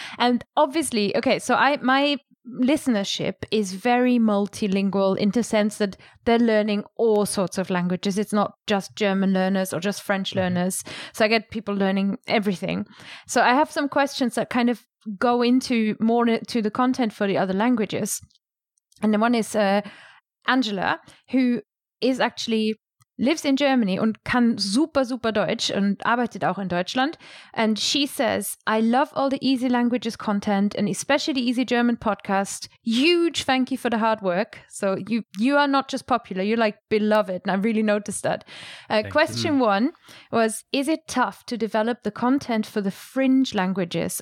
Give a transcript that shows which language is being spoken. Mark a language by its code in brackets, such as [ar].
[en] And obviously, okay, so my listenership is very multilingual in the sense that they're learning all sorts of languages. It's not just German learners or just French learners. So I get people learning everything. So I have some questions that kind of go into more to the content for the other languages. And the one is Angela, who is actually... lives in Germany [de] und kann super, super Deutsch und arbeitet auch in Deutschland. [en] And she says, I love all the Easy Languages content and especially the Easy German podcast. Huge thank you for the hard work. So you are not just popular, you're like beloved. And I really noticed that. Question one was, is it tough to develop the content for the fringe languages?